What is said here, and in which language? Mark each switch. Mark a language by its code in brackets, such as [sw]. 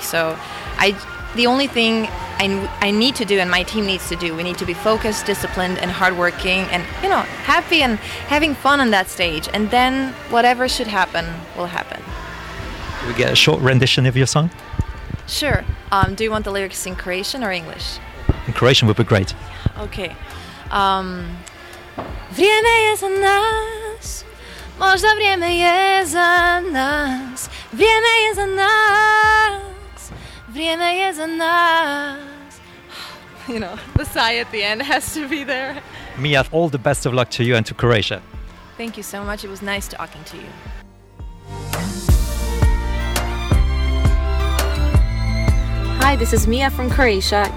[en] So the only thing I need to do, and my team needs to do, we need to be focused, disciplined, and hardworking, and you know, happy and having fun on that stage. And then whatever should happen will happen. We get a short rendition of your song? Sure. Do you want the lyrics in Croatian or English? In Croatian would be great. Okay. [hr] Vrijeme je za nas, možda vrijeme je za nas, vrijeme je za nas. Vrijeme je za nas. [en] You know, the sigh at the end has to be there. Mia, all the best of luck to you and to Croatia. Thank you so much. It was nice talking to you. Hi, this is Mia from Croatia.